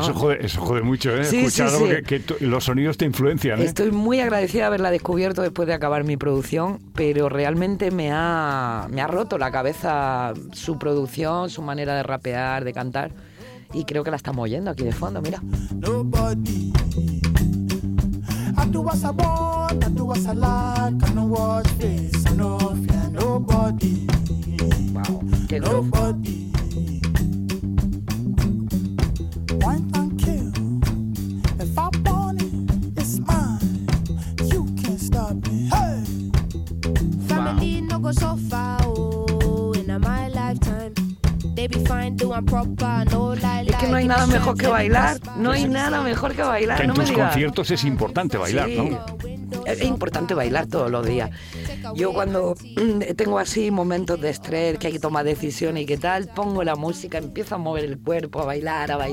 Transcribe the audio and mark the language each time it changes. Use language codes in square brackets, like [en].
[es] Eso jode mucho, ¿eh? Sí, escuchar algo, sí, sí. Que los sonidos te influencian, ¿eh? Estoy muy agradecida de haberla descubierto después de acabar mi producción, pero realmente me ha roto la cabeza su producción, su manera de rapear, de cantar, y creo que la estamos oyendo aquí de fondo, mira. [en] Nobody. I do what I want, I do what I like, I don't watch this, I don't fear nobody. [es] Wow, qué nobody. [en] Point and kill, if I want it, it's mine, you can't stop me, hey. Family no go so far, oh, in my lifetime, they be fine doing proper, no lie. [es] Que no hay nada mejor que bailar, no hay nada mejor que bailar. Que en no tus me digas. Conciertos es importante bailar, sí, ¿no? Es importante bailar todos los días. Yo cuando tengo así momentos de estrés, que hay que tomar decisiones y qué tal, pongo la música, empiezo a mover el cuerpo, a bailar.